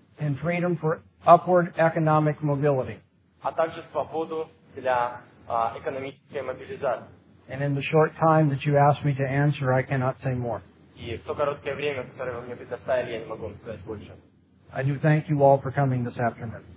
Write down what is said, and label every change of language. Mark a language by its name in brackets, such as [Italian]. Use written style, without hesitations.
[English] And freedom for upward economic mobility. [Russian] А также свободу для экономической мобилизации. [English] And in the short time that you asked me to answer, I cannot say more. [Russian] И в то короткое время, которое вы мне предоставили, я не могу вам сказать больше. [English] I do thank you all for coming this afternoon.